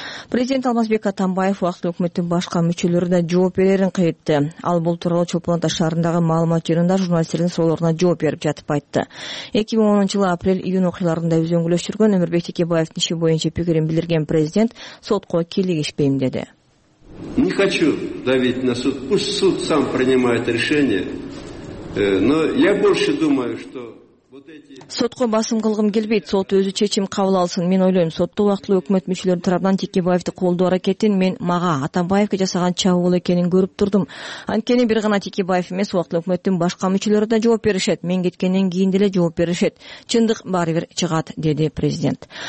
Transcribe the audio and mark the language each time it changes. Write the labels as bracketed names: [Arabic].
[Kyrgyz] Президент Алмазбек Атамбаев убактылуу өкмөттүн башка мүчөлөрү да жооп берерин кыйытты. Ал бул тууралуу Чолпон Ата шаарындагы маалымат жыйынында журналисттердин суроолоруна жооп берип жатып айтты. 2010-жылы апрель-июнь окуяларында өзүн күлөштүргөн Өмүрбек Текебаевдин иши боюнча пикирин билдирген президент сотко кийлигишпейм деди. [Russian] Не хочу давить на суд, пусть суд сам принимает решение, но я больше думаю, что [Kyrgyz] сотко басым кылгым келбейт, сот өзү чечим кабыл алсын. Мен ойлойм, сотто убактылуу өкмөт мүчөлөрү тарабынан Текебаевди колдоо аракетин мен мага Атамбаевге жасаган чабуул экенин көрүп турдум. Анткени бир гана Текебаев эмес, убактылуу өкмөттүн башка мүчөлөрү да жооп беришет. Мен кеткенден кийин деле жооп беришет. Чындык баары бир чыгат, деди президент.